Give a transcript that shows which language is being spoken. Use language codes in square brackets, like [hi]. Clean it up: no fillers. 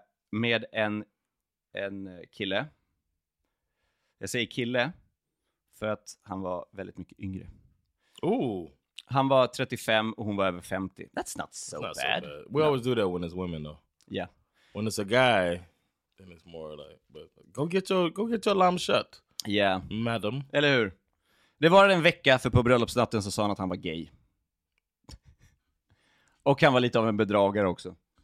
[sv] Med en kille. Jag säger kille för att han var väldigt mycket yngre. Ooh. Han var 35 och hon var över 50. [en] That's not so, not bad. So bad. We always do that when it's women though. Yeah. When it's a guy, then it's more like, but go get your lamb shut. [sv] Ja, [en] yeah. Madam. [sv] Eller hur? Det var en vecka för på bröllopsnatten så sa han att han var gay. Och han var lite av en bedragare också.